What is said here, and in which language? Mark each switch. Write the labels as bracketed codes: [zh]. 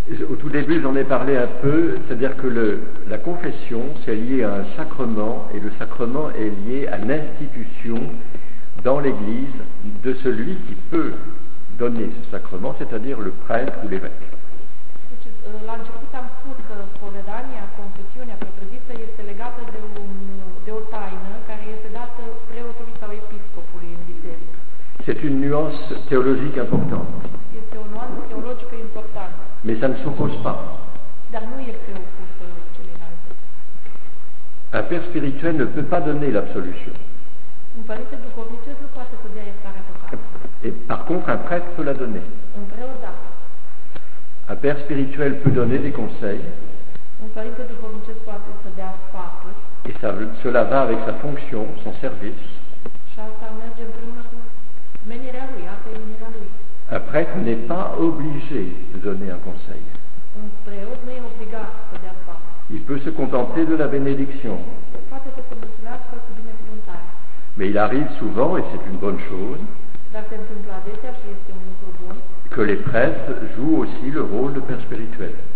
[fr] Au tout début, j'en ai parlé un peu, c'est-à-dire que la confession, c'est lié à un sacrement, et le sacrement est lié à l'institution dans l'Église de celui qui peut donner ce sacrement, c'est-à-dire le prêtre ou l'évêque. [ro] La început am spus că spovedania, confesiunea propriu-zisă este legată de o taină care este dată preotului sau episcopului în biserică. [fr] C'est une nuance théologique importante. [ro] Este o nuanță teologică importantă. [fr] Mais ça ne s'oppose pas. [ro] Dar nu este opusă celelalte. [fr] Un père spirituel ne peut pas donner l'absolution. [ro] Un părinte duhovnicesc nu poate să dea iertarea păcatului. [fr] Et par contre, un prêtre peut la donner. [ro] Un preot, da. [fr] Un père spirituel peut donner des conseils. [ro] Un părinte duhovnicesc poate să dea sfaturi. [fr] Et cela va avec sa fonction, son service. [ro] Și asta merge împreună cu menirea lui, asta e menirea lui. [fr] Un prêtre n'est pas obligé de donner un conseil. [ro] Un preot nu e obligat să dea sfaturi. [fr] Il peut se contenter de la bénédiction. [ro] Poate să se mulțumească cu binecuvântare. [fr] Mais il arrive souvent, et c'est une bonne chose, [ro] dar se întâmplă adesea și este un lucru bun, [fr] que les prêtres jouent aussi le rôle de père spirituel.